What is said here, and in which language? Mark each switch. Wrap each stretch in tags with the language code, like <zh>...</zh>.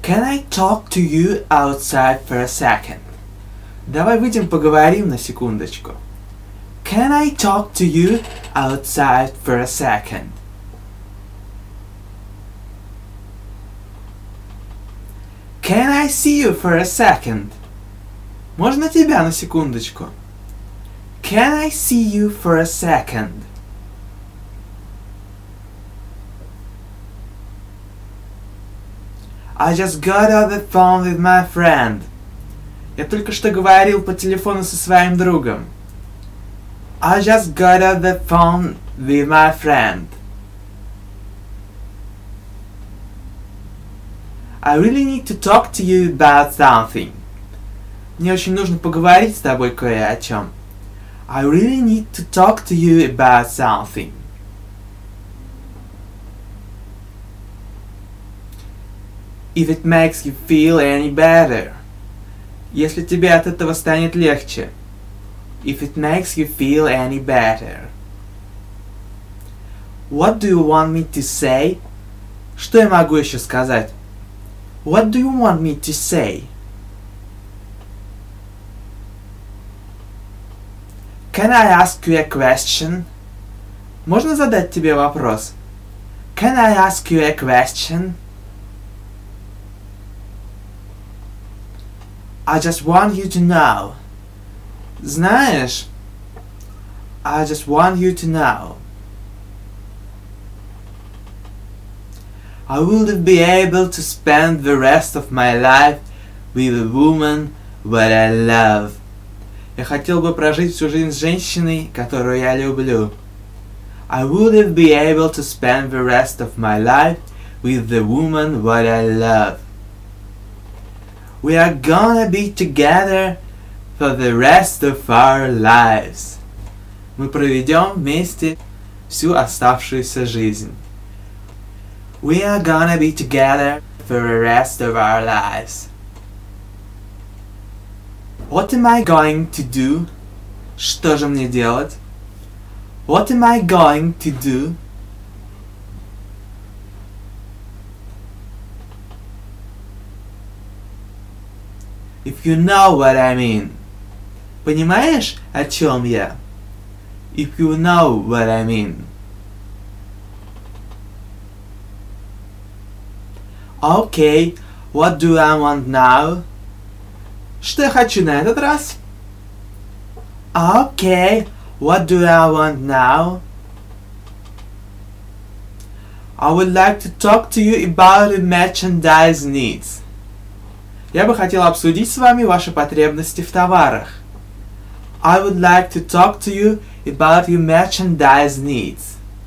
<en>Can I talk to you outside for a second?</en> <ru>Давай выйдем поговорим на секундочку.</ru> <en>Can I talk to you outside for a second? Can I see you for a second?</en> <ru>Можно тебя на секундочку?</ru> <en>Can I see you for a second? I just got off the phone with my friend.</en> <ru>Я только что говорил по телефону со своим другом.</ru> <en>I just got off the phone with my friend. I really need to talk to you about something.</en> <ru>Мне очень нужно поговорить с тобой кое о чем.</ru> <en>I really need to talk to you about something. If it makes you feel any better.</en> <ru>Если тебе от этого станет легче.</ru> <en>If it makes you feel any better. What do you want me to say?</en> <ru>Что я могу еще сказать?</ru> <en>What do you want me to say? Can I ask you a question?</en> <ru>Можно задать тебе вопрос?</ru> <en>Can I ask you a question? I just want you to know.</en> <ru>Знаешь?</ru> <en>I just want you to know. I wouldn't be able to spend the rest of my life with a woman that I love.</en> <ru>Я хотел бы прожить всю жизнь с женщиной, которую я люблю.</ru> <en>I wouldn't be able to spend the rest of my life with the woman that I love. We are gonna be together for the rest of our lives.</en> <ru>Мы проведем вместе всю оставшуюся жизнь.</ru> <en>We are gonna be together for the rest of our lives. What am I going to do?</en> <ru>Что же мне делать?</ru> <en>What am I going to do? If you know what I mean.</en> <ru>Понимаешь, о чем я?</ru> <en>If you know what I mean. Okay, what do I want now?</en> <ru>Что я хочу на этот раз?</ru> <en>Okay, what do I want now? I would like to talk to you about your merchandise needs.</en> <ru>Я бы хотел обсудить с вами ваши потребности в товарах.</ru> <en>I would like to talk to you about your merchandise needs.</en>